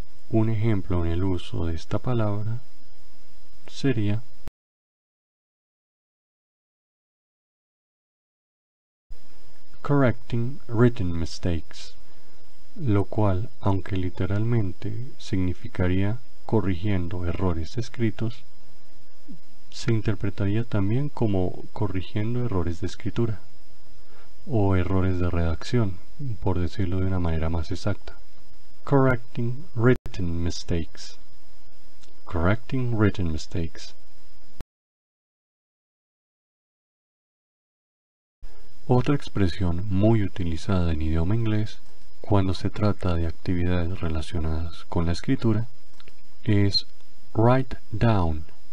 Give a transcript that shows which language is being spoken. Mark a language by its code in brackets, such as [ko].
[es] Un ejemplo en el uso de esta palabra sería [en] correcting written mistakes, [es] lo cual, aunque literalmente significaría corrigiendo errores escritos, se interpretaría también como corrigiendo errores de escritura. o errores de redacción, por decirlo de una manera más exacta. [en] Correcting written mistakes. Correcting written mistakes. [es] Otra expresión muy utilizada en idioma inglés cuando se trata de actividades relacionadas con la escritura es [en] write down.